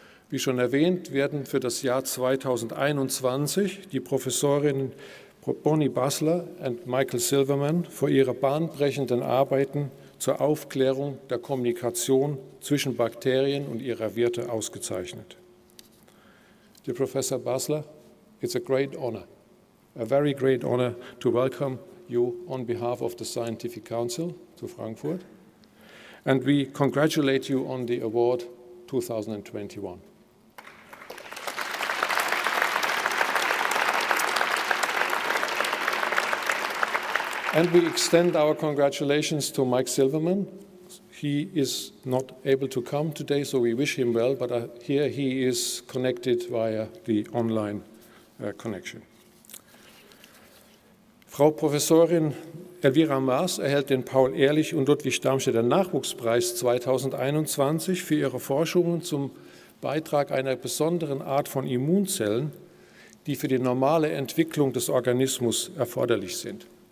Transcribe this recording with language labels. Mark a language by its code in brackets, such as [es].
[de] Wie schon erwähnt, werden für das Jahr 2021 die Professorinnen Bonnie Bassler und Michael Silverman für ihre bahnbrechenden Arbeiten zur Aufklärung der Kommunikation zwischen Bakterien und ihrer Wirte ausgezeichnet. [en] Dear Professor Bassler, it's a great honor, a very great honor to welcome you on behalf of the Scientific Council to Frankfurt, and we congratulate you on the award 2021. And we extend our congratulations to Mike Silverman. He is not able to come today, so we wish him well, but here he is connected via the online connection. [de] Frau Professorin Elvira Maas erhält den Paul Ehrlich und Ludwig Darmstädter Nachwuchspreis 2021 für ihre Forschungen zum Beitrag einer besonderen Art von Immunzellen, die für die normale Entwicklung des Organismus erforderlich sind.